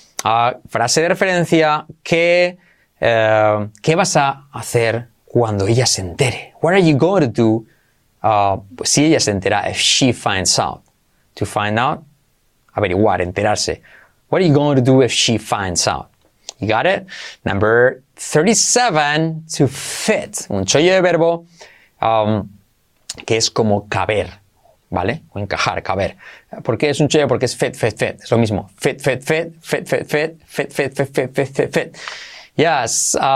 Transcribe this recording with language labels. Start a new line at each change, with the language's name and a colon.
Spanish: Frase de referencia, ¿qué vas a hacer cuando ella se entere?
English: What are you going to do
Spanish: si ella se entera,
English: if she finds out? To find out,
Spanish: averiguar, enterarse.
English: What are you going to do if she finds out? You got it? Number 37, to fit.
Spanish: Un chollo de verbo que es como caber, ¿vale? O encajar, caber. ¿Por qué es un chollo? Porque es fit, fit, fit. Es lo mismo.
English: Fit, fit, fit, fit, fit, fit, fit, fit, fit, fit, fit, fit, fit. Yes.